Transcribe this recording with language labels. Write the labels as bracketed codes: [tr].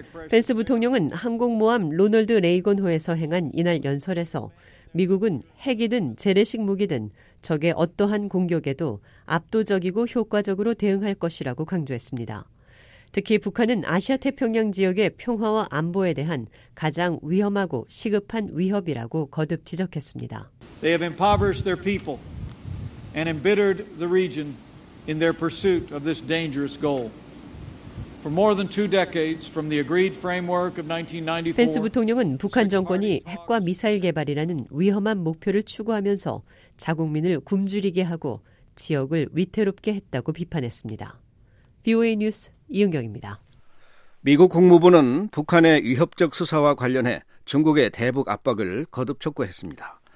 [ko] 펜스 부통령은 항공모함 로널드 레이건호에서 행한 이날 연설에서 미국은 핵이든 재래식 무기든 적의 어떠한 공격에도 압도적이고 효과적으로 대응할 것이라고 강조했습니다. 특히 북한은 아시아태평양 지역의 평화와 안보에 대한 가장 위험하고 시급한 위협이라고 거듭 지적했습니다. [en] They have impoverished their people and embittered the region in their pursuit of this dangerous goal. For more than two decades from the agreed framework of 1994. [ko] 펜스 부통령은 북한 정권이 핵과 미사일 개발이라는 위험한 목표를 추구하면서 자국민을 굶주리게 하고 지역을 위태롭게 했다고 비판했습니다. VOA 뉴스 이은경입니다. 미국 국무부는 북한의 위협적 수사와 관련해 중국의 대북 압박을 거듭 촉구했습니다.